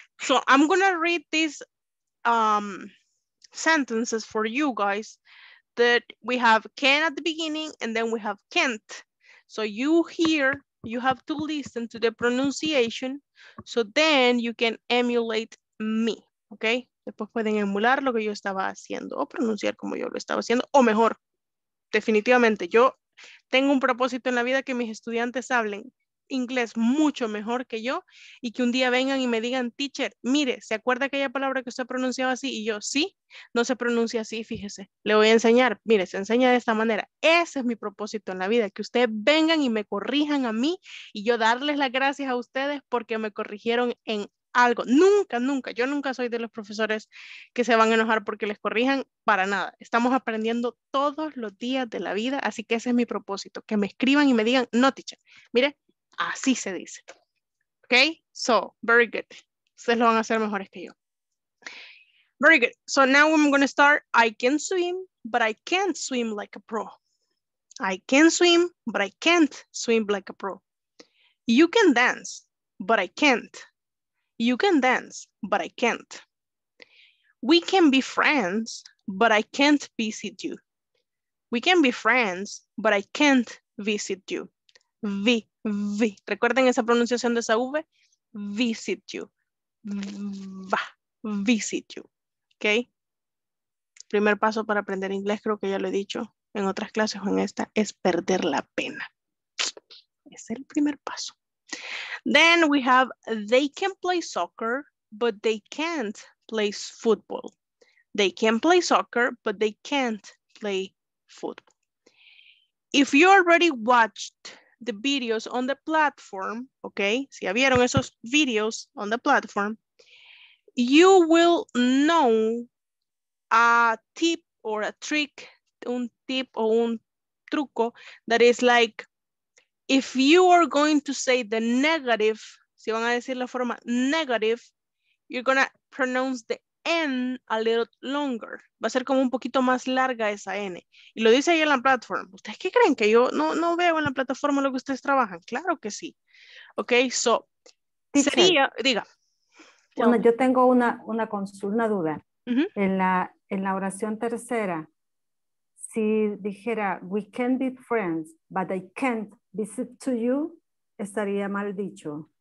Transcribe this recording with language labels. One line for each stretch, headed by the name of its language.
English: So I'm gonna read these sentences for you guys that we have Ken at the beginning and then we have Kent. So you hear, you have to listen to the pronunciation so then you can emulate me.
Spanish: Okay, después pueden emular lo que yo estaba haciendo o pronunciar como yo lo estaba haciendo o mejor. Definitivamente, yo tengo un propósito en la vida que mis estudiantes hablen inglés mucho mejor que yo y que un día vengan y me digan, teacher, mire, ¿se acuerda aquella palabra que usted pronunciaba así? Y yo, sí, no se pronuncia así, fíjese, le voy a enseñar, mire, se enseña de esta manera. Ese es mi propósito en la vida, que ustedes vengan y me corrijan a mí y yo darles las gracias a ustedes porque me corrigieron en algo. Nunca, nunca, yo nunca soy de los profesores que se van a enojar porque les corrijan, para nada. Estamos aprendiendo todos los días de la vida, así que ese es mi propósito, que me escriban y me digan, no, teacher, mire, así se dice.
English: Ok, so, very good.
Spanish: Ustedes lo van a hacer mejores que yo.
English: Very good. So now I'm going to start. I can swim, but I can't swim like a pro. I can swim, but I can't swim like a pro. You can dance, but I can't. You can dance, but I can't. We can be friends, but I can't visit you. We can be friends, but I can't visit you.
Spanish: Vi, vi. Recuerden esa pronunciación de esa V.
English: Visit you. Va, visit you. ¿Ok?
Spanish: Primer paso para aprender inglés, creo que ya lo he dicho en otras clases o en esta, es perder la pena. Es el primer paso.
English: Then we have, they can play soccer, but they can't play football. They can play soccer, but they can't play football. If you already watched the videos on the platform, okay,
Spanish: si ya vieron esos videos
English: on the platform, you will know a tip or a trick,
Spanish: un tip o un truco
English: that is like, if you are going to say the negative,
Spanish: si van a decir la forma negative,
English: you're going to pronounce the N a little longer.
Spanish: Va a ser como un poquito más larga esa N. Y lo dice ahí en la plataforma. ¿Ustedes qué creen? ¿Que yo no veo en la plataforma lo que ustedes trabajan? Claro que sí. Ok, so, teacher, sería, diga. Bueno, yo tengo una duda. Uh-huh. En la oración tercera, si dijera,
English: we can be friends, but I can't visit to you,
Spanish: estaría mal dicho.